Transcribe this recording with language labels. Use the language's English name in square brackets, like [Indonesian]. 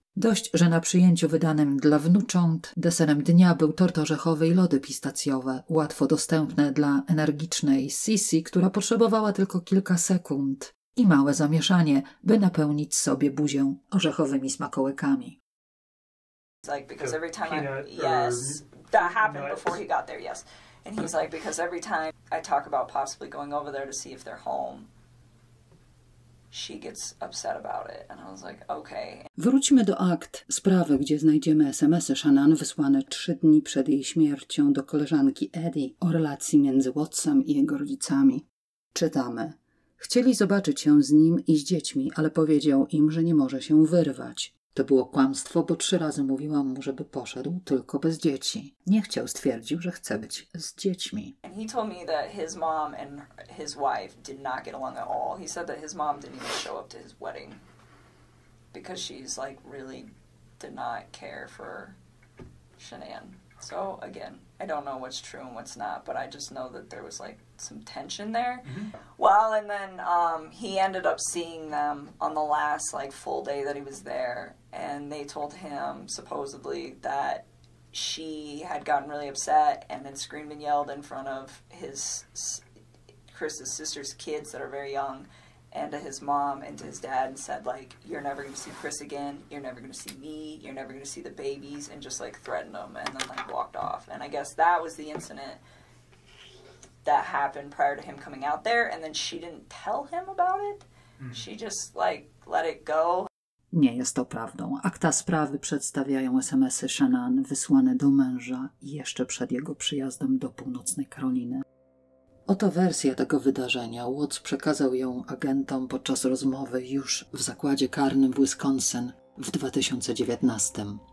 [Polish] Dość, że na przyjęciu wydanym dla wnucząt deserem dnia był tort orzechowy i lody pistacjowe, łatwo dostępne dla energicznej Sisi, która potrzebowała tylko kilka sekund i małe zamieszanie, by napełnić sobie buzię orzechowymi smakołykami. [English] Like because every time that happened before he got there, yes. And he's like because every time I talk about possibly going over there to see if they're home. She gets upset about it. And I was like, okay. [Polish] Wróćmy do akt sprawy, gdzie znajdziemy SMS-y ŚWIADEK wysłane 3 dni przed jej śmiercią do koleżanki Eddie o relacji między Wattsem i jego rodzicami. Czytamy. Chcieli zobaczyć się z nim i z dziećmi, ale powiedział im, że nie może się wyrwać. To było kłamstwo, bo 3 razy mówiłam mu, żeby poszedł tylko bez dzieci. Nie chciał, stwierdził, że chce być z dziećmi. [English] He told me that his mom and his wife did not get along at all. He said that his mom didn't even show up to his wedding because she's like really did not care for ŚWIADEK. So again, I don't know what's true and what's not, but I just know that there was like some tension there. Well, and then he ended up seeing them on the last like full day that he was there, and they told him supposedly that she had gotten really upset and then screamed and yelled in front of his Chris's sister's kids that are very young, and to his mom and to his dad, and said like, you're never gonna see Chris again, you're never gonna see me, you're never gonna see the babies, and just like threatened them and then like walked off. And I guess that was the incident that happened prior to him coming out there, and then she didn't tell him about it. She just like let it go. [Polish] Nie jest to prawdą. Akta sprawy przedstawiają SMS-y Shannon wysłane do męża jeszcze przed jego przyjazdem do Północnej Karoliny. Oto wersja tego wydarzenia. Watts przekazał ją agentom podczas rozmowy już w zakładzie karnym w Wisconsin w 2019.